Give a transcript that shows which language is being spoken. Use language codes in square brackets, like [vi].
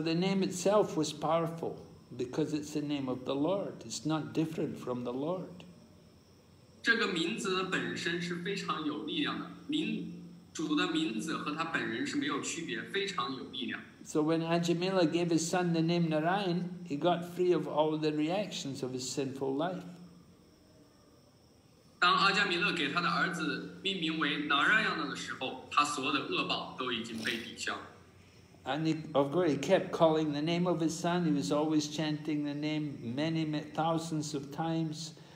[en] the name itself was powerful because it's the name of the Lord. It's not different from the Lord. [zh] 这个名字本身是非常有力量的，主的名字和他本人是没有区别，非常有力量。 [en] So when Ajāmila gave his son the name Narayan, he got free of all the reactions of his sinful life. [zh] 当阿迦弥勒给他的儿子命名为Narayana的时候，他所有的恶报都已经被抵消。 [en] And he, of course, he kept calling the name of his son. He was always chanting the name many, many thousands of times.